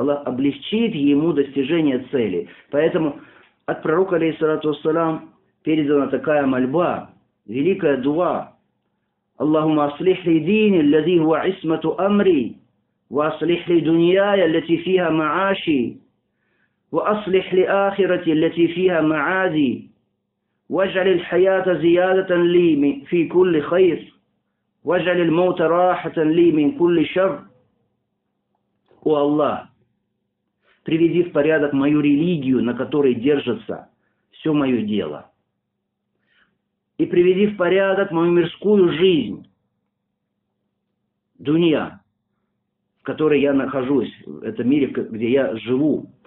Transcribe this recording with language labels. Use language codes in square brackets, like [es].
[ru] Аллах облегчит ему достижение цели. Поэтому от пророка, алейхиссалату вассалям, передана такая мольба, великая дуа: [ar] «Аллахумма аслих ли дини, аллази хуа исмату амри, ва аслих ли дуньяя, аллати фиха мааши, ва аслих ли ахирати, аллати фиха маади. واجعل الحياة زيادة لي في كل خير واجعل الموت راحة لي من كل شر. [ru] О Аллах, приведи в порядок мою религию, на которой держится все мое дело. И приведи в порядок мою мирскую жизнь, дунья, в которой я нахожусь, в этом мире, где я живу.